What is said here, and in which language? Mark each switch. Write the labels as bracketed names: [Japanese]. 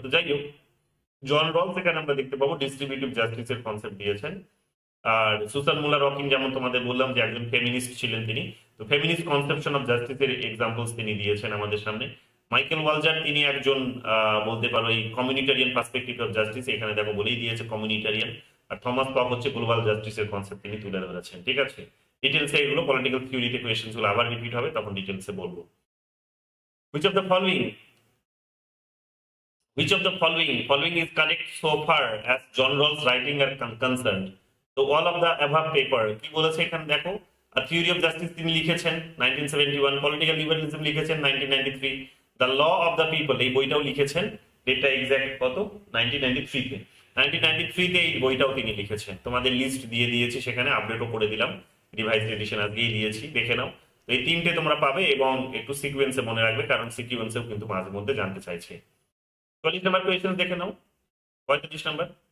[Bangla] তো যাই হোক, জন রলস এখানে আমরা দেখতে পাবো ডিস্ট্রিবিউটিভ জাস্টিস এর কনসেপ্ট দিয়েছেন, আর সুসান মুলার ওয়াকিং যেমন তোমাদের বললাম যে একজন ফেমিনিস্ট ছিলেন তিনি, তো ফেমিনিস্ট কনসেপশন অফ জাস্টিস এর এক্সাম্পলস তিনি দিয়েছেন আমাদের সামনে। মাইকেল ওয়ালজার তিনি একজন বলতে পারো এই কমিউনিটারিয়ান পার্সপেক্টিভ অফ জাস্টিস, এখানে দেখো বলেই দিয়েছে কমিউনিটারিয়ান, আর থমাস পক হচ্ছে গ্লোবাল জাস্টিস এর কনসেপ্ট তিনি তুলে ধরেছেন, ঠিক আছে। ডিটেলসে এগুলো পলিটিক্যাল থিওরিতে কোয়েশ্চেন গুলো আবার রিপিট হবে, তখন ডিটেলসে বলবো। [English] Which of the following is correct so far as John Rawls writing are concerned? So all of the above paper, [Bangla] কি বলেছে এখানে দেখো, A Theory of Justice তিনি লিখেছেন 1971, Political Liberalism লিখেছেন 1993, The Law of the People এই বইটাও লিখেছেন, ডেটটা এক্সাক্ট কত 1993 তে, 1993-তে এই বইটাও তিনি লিখেছেন, তোমাদের লিস্ট দিয়ে দিয়েছি সেখানে, আপডেটও করে দিলাম, রিভাইজ এডিশন আজকেই দিয়েছি, দেখে নাও। তো এই তিনটে তোমরা পাবে, এবং একটু সিকুয়েন্সে মনে রাখবে, কারণ সিকুয়েন্সেও কিন্তু মাঝে মধ্যে জানতে চাইছে। 40 নম্বর কোয়েশ্চেন দেখে নাও, 35 নম্বর।